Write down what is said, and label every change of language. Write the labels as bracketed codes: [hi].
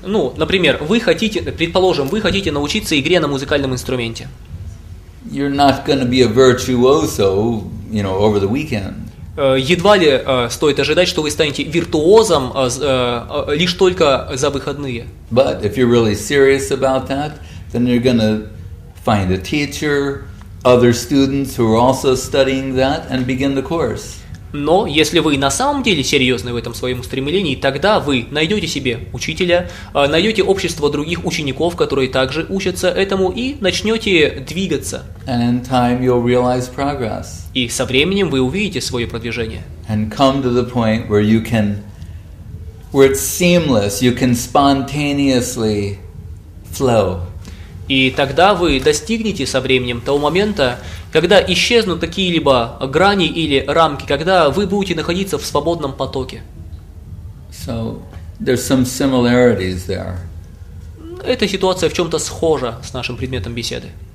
[ru] Ну, например, вы хотите, предположим, вы хотите научиться игре на музыкальном инструменте. [en] You're not going to be a virtuoso, you know, over the weekend. [ru] Едва ли стоит ожидать, что вы станете виртуозом лишь только за выходные. [en] But if you're really serious about that, then you're going to find a teacher, other students who are also studying that, and begin the course. [ru] Но если вы на самом деле серьезны в этом своем устремлении, тогда вы найдете себе учителя, найдете общество других учеников, которые также учатся этому, и начнете двигаться. [en] And in time you'll realize progress. [ru] И со временем вы увидите свое продвижение. [en] And come to the point where you can, where it's seamless, you can spontaneously flow. [ru] И тогда вы достигнете со временем того момента, когда исчезнут какие-либо грани или рамки, когда вы будете находиться в свободном потоке. [en] So, there's some similarities there. [ru] Эта ситуация в чем-то схожа с нашим предметом беседы.